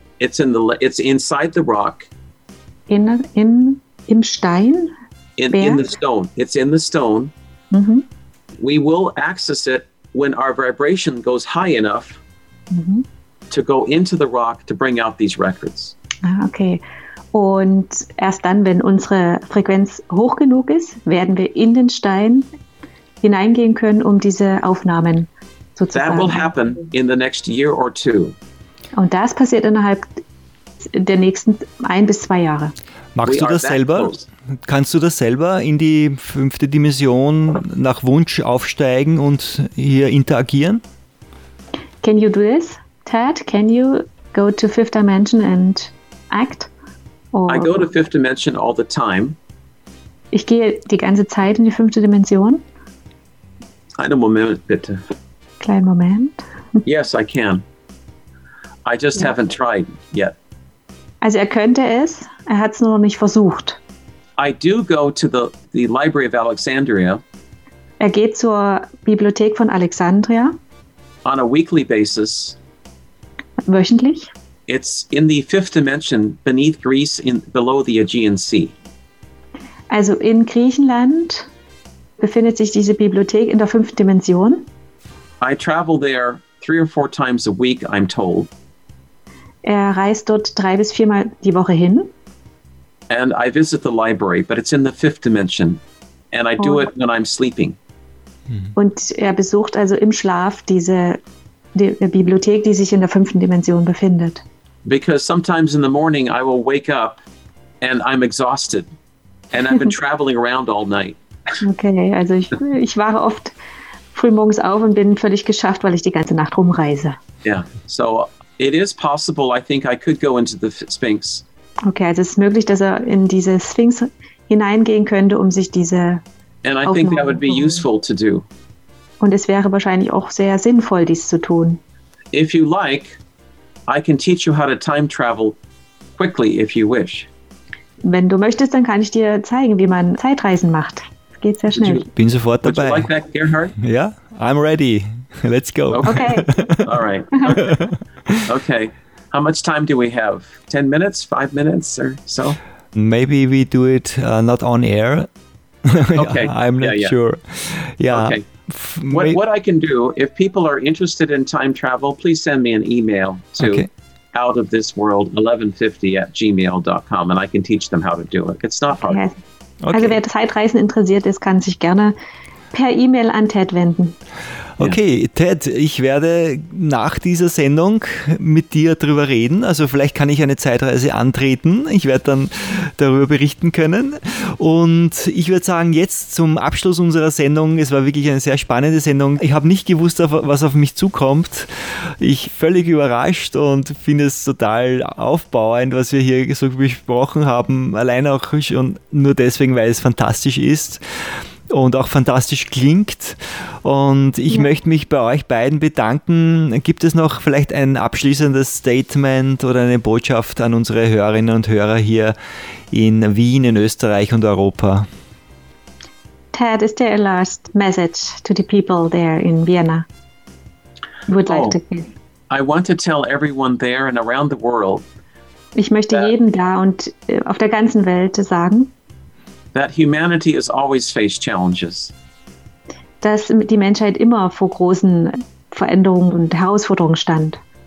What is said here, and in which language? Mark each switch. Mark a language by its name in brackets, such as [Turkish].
[English] It's inside the rock. [German] Im Stein? [English] In the stone. It's in the stone. Mm-hmm. We will access it when our vibration goes high enough to go into the rock to bring out these records. Okay. [German] Und erst dann, wenn unsere Frequenz hoch genug ist, werden wir in den Stein hineingehen können, um diese Aufnahmen sozusagen. [English] That will happen in the next year or two. [German] Und das passiert innerhalb der nächsten 1 bis 2 Jahre. Magst du das selber? Kannst du das selber in die fünfte Dimension nach Wunsch aufsteigen und hier interagieren? [English] Can you do this, Ted? Can you go to fifth dimension and act? Or I go to fifth dimension all the time. [German] Ich gehe die ganze Zeit in die fünfte Dimension. Einen Moment, bitte. Kleinen Moment. [English] Yes, I can. I just haven't tried yet. [German] Also er könnte es, er hat es nur noch nicht versucht. [English] I do go to the Library of Alexandria. [German] Er geht zur Bibliothek von Alexandria. [English] On a weekly basis. [German] Wöchentlich. [English] It's in the fifth dimension beneath Greece, below the Aegean Sea. [German] Also in Griechenland befindet sich diese Bibliothek in der fünften Dimension. [English] I travel there 3 or 4 times a week, I'm told. [German] Er reist dort 3 bis 4 Mal die Woche hin. [English] And I visit the library, but it's in the fifth dimension. And I do it when I'm sleeping. [German] Und er besucht also im Schlaf die Bibliothek, die sich in der fünften Dimension befindet. [English] Because sometimes in the morning I will wake up and I'm exhausted. And I've been traveling around all night. [German] Okay, also ich wache oft früh morgens auf und bin völlig geschafft, weil ich die ganze Nacht rumreise. [English] Yeah, so it is possible, I think I could go into the Sphinx. [German] Okay, also es ist möglich, dass er in diese Sphinx hineingehen könnte, um sich diese [English] And I think that would be useful to do. [German] Und es wäre wahrscheinlich auch sehr sinnvoll, dies zu tun. [English] If you like, I can teach you how to time travel quickly if you wish. [German] Wenn du möchtest, dann kann ich dir zeigen, wie man Zeitreisen macht. Es geht sehr schnell. Ich bin sofort dabei. [English] Would you like that, Gerhard? Yeah, I'm ready. Let's go. Okay. All right. Okay. How much time do we have? 10 minutes? 5 minutes or so? Maybe we do it not on air. Okay. I'm not sure. Yeah. Okay. What I can do, if people are interested in time travel, please send me an email to outofthisworld1150@gmail.com and I can teach them how to do it. It's not hard. Okay. [German] Also wer Zeitreisen interessiert ist, kann sich gerne per E-Mail an Ted wenden. Okay, Ted, ich werde nach dieser Sendung mit dir drüber reden. Also vielleicht kann ich eine Zeitreise antreten. Ich werde dann darüber berichten können. Und ich würde sagen, jetzt zum Abschluss unserer Sendung, es war wirklich eine sehr spannende Sendung. Ich habe nicht gewusst, was auf mich zukommt. Ich bin völlig überrascht und finde es total aufbauend, was wir hier so besprochen haben. Allein auch schon nur deswegen, weil es fantastisch ist. Und auch fantastisch klingt. Und ich möchte mich bei euch beiden bedanken. Gibt es noch vielleicht ein abschließendes Statement oder eine Botschaft an unsere Hörerinnen und Hörer hier in Wien, in Österreich und Europa? [English] Ted, is there a last message to the people there in Vienna? Would like to give? I want to tell everyone there and around the world. [German] Ich möchte jedem da und auf der ganzen Welt sagen, [English] that humanity has always faced challenges. [German] Dass die Menschheit immer vor großen Veränderungen und Herausforderungen stand.